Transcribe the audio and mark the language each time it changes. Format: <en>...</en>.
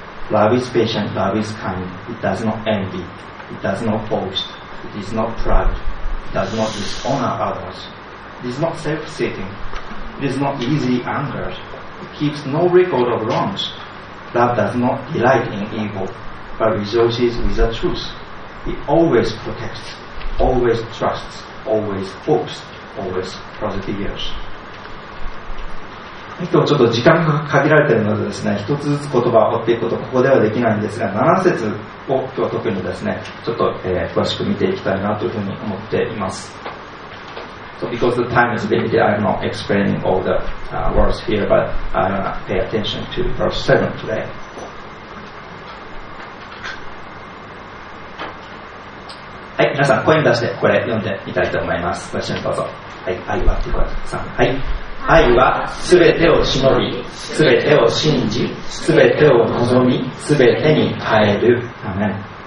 <en>Love is patient, love is kind, it does not envy, it does not boast, it is not proud, it does not dishonor others, it is not self-seeking, it is not easily angered, it keeps no record of wrongs, love does not delight in evil, but rejoices with the truth, it always protects, always trusts, always hopes, always perseveres.</en> <ja>今日ちょっと時間が限られているのでですね、一つずつ言葉を追っていくことはここではできないんですが、7節を今日特にですね、ちょっと詳しく見ていきたいなというふうに思っています。</ja> <en>So because the time is limited, I'm not explaining all the words here, but I'm gonna pay attention to verse 7 today.</en> <ja>はい、皆さん声に出してこれ読んでみたいと思います。ご一緒にどうぞ。はい、愛はということで、さん。はい。愛はすべてを忍び、すべてを信じ、すべてを望み、すべてに耐える。アメン。</ja>